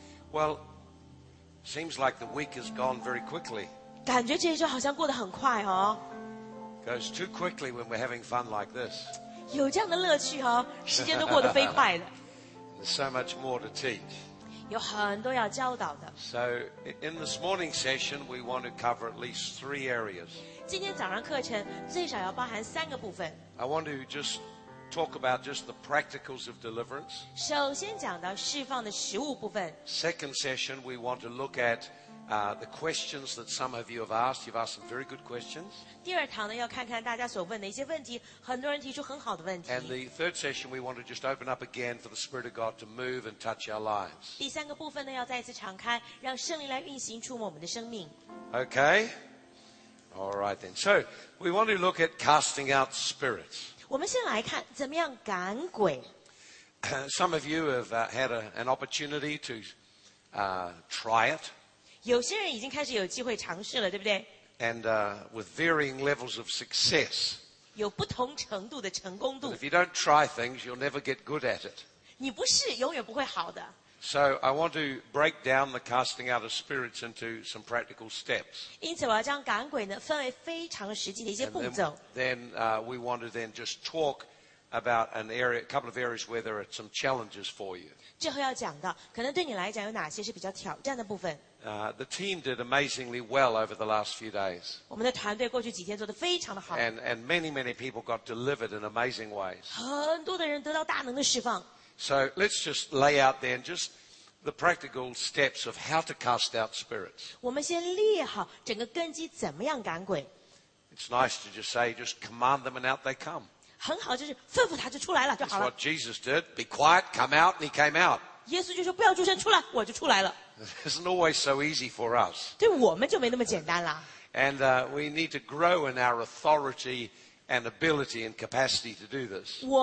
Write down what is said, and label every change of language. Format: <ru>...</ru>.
<en>Well, seems like the week has gone very quickly.</en> <zh>感觉这一周好像过得很快哦。</zh> <en>Goes too quickly when we're having fun like this.</en> <zh>有这样的乐趣哦, 时间都过得飞快了。</zh> <en>There's so much more to teach.</en> <zh>有很多要教导的。</zh> <en>So, in this morning session, we want to cover at least three areas.</en> <zh>今天早上课程最少要包含三个部分。</zh> <en>I want to just talk about just the practicals of deliverance.</en> <zh>首先讲到释放的实务部分。</zh> <en>Second session, we want to look at the questions that some of you have asked. You've asked some very good questions.</en> <zh>第二堂呢,要看看大家所问的一些问题,很多人提出很好的问题。</zh> <en>And the third session, we want to just open up again for the Spirit of God to move and touch our lives.</en> <zh>第三个部分呢,要再一次敞开,让圣灵来运行出我们的生命。</zh> <en>Okay. All right then. So, we want to look at casting out spirits.</en> <zh>我们先来看怎么样赶鬼。</zh> <en>Some of you have had an opportunity to try it.</en> <zh>有些人已经开始有机会尝试了，对不对？</zh> <en>And with varying levels of success.</en> <zh>有不同程度的成功度。</zh> <en>But if you don't try things, you'll never get good at it.</en> <zh>你不试，永远不会好的。</zh> <en>So I want to break down the casting out of spirits into some practical steps.</en> <zh>因此我要将赶鬼呢分为非常实际的一些步骤。</zh> <en>Then we want to then just talk about an area, a couple of areas where there are some challenges for you.</en> <zh>最后要讲到，可能对你来讲有哪些是比较挑战的部分。</zh> <en>The team did amazingly well over the last few days.</en> <zh>我们的团队过去几天做得非常的好。</zh> <en>And many, many people got delivered in amazing ways.</en> <zh>很多的人得到大能的释放。</zh> <en>So let's just lay out then just the practical steps of how to cast out spirits.</en> <zh>我们先列好整个根基怎么样赶鬼。</zh> <en>It's nice to just say, just command them and out they come.</en> <zh>很好，就是吩咐他就出来了就好了。</zh> <en>That's what Jesus did. Be quiet, come out, and he came out.</en> <zh>耶稣就说不要出声，出来，我就出来了。</zh> <en>It isn't always so easy for us.</en> <zh>对我们就没那么简单了。</zh> <en>And we need to grow in our authority and ability and capacity to do this.</en>